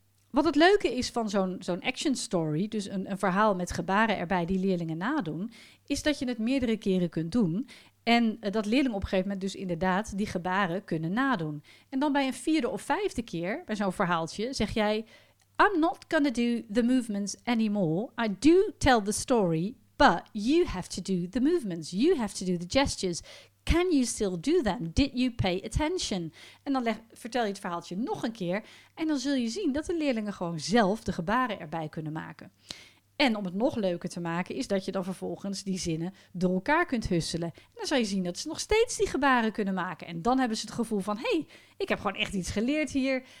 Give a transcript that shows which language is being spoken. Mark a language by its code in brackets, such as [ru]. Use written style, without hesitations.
[nl] Wat het leuke is van zo'n action story, dus een verhaal met gebaren erbij die leerlingen nadoen, is dat je het meerdere keren kunt doen. En dat leerlingen op een gegeven moment dus inderdaad die gebaren kunnen nadoen. En dan bij een vierde of vijfde keer, bij zo'n verhaaltje, zeg jij, [en] I'm not gonna do the movements anymore. I do tell the story, but you have to do the movements. You have to do the gestures. Can you still do them? Did you pay attention? [nl] En dan vertel je het verhaaltje nog een keer. En dan zul je zien dat de leerlingen gewoon zelf de gebaren erbij kunnen maken. En om het nog leuker te maken, is dat je dan vervolgens die zinnen door elkaar kunt husselen. En dan zal je zien dat ze nog steeds die gebaren kunnen maken. En dan hebben ze het gevoel van, hé, ik heb gewoon echt iets geleerd hier.